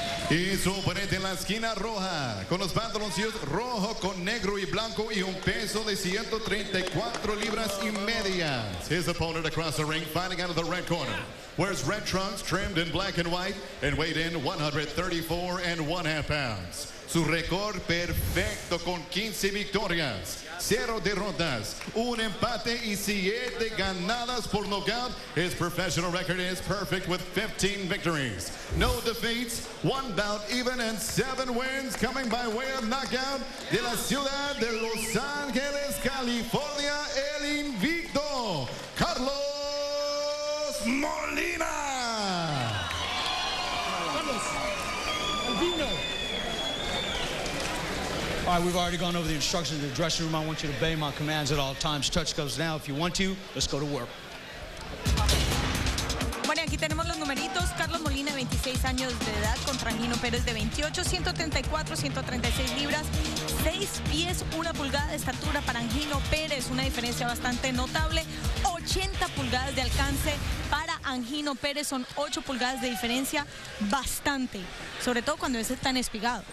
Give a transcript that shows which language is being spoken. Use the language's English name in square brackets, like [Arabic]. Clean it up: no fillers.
[Spanish] Y su oponente en la esquina roja, con los pantaloncillos rojo con negro y blanco y un peso de 134 libras y media. [English] His opponent across the ring, fighting out of the red corner, wears red trunks trimmed in black and white and weighed in 134 and one half pounds. [Spanish] Su récord perfecto con 15 victorias, 0 derrotas, 1 empate y 7 ganadas por nocaut. [English] His professional record is perfect with 15 victories. No defeats, 1 bout even and 7 wins coming by way of knockout. [Spanish] De la ciudad de Los Ángeles, California, el invicto, Carlos Molina. [English] All right, we've already gone over the instructions in the dressing room. I want you to obey my commands at all times. Touch goes now. If you want to, let's go to work. [Spanish] Bueno, aquí tenemos los numeritos. Carlos Molina, 26 años de edad, contra Angino Pérez, de 28, 134, 136 libras, 6 pies, 1 pulgada de estatura para Angino Pérez, una diferencia bastante notable, 80 pulgadas de alcance para Angino Pérez, son 8 pulgadas de diferencia, bastante, sobre todo cuando es tan espigado.